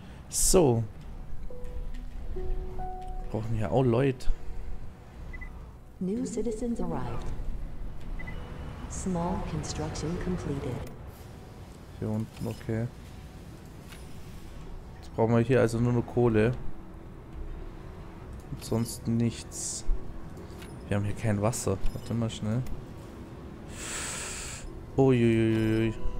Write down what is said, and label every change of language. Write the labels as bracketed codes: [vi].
[de] So. Wir brauchen hier auch Leute. [en] New citizens arrived. Small construction completed. [de] Hier unten, okay. Jetzt brauchen wir hier also nur noch Kohle. Und sonst nichts. Wir haben hier kein Wasser. Warte mal schnell. Uiuiuiui.